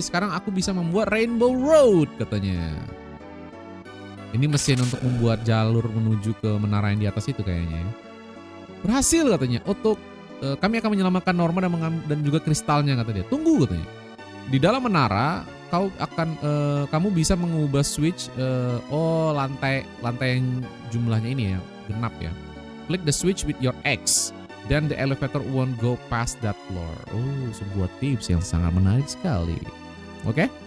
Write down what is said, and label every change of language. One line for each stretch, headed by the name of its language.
Indonesian: Sekarang aku bisa membuat Rainbow Road katanya. Ini mesin untuk membuat jalur menuju ke menara yang di atas itu kayaknya. Berhasil katanya. Otto, kami akan menyelamatkan Norma dan juga kristalnya kata dia. Tunggu katanya. Di dalam menara kau akan kamu bisa mengubah switch lantai yang jumlahnya ini ya genap ya.
English: Click the switch with your X then the elevator won't go past that floor.
Indonesian: Sebuah tips yang sangat menarik sekali. Oke.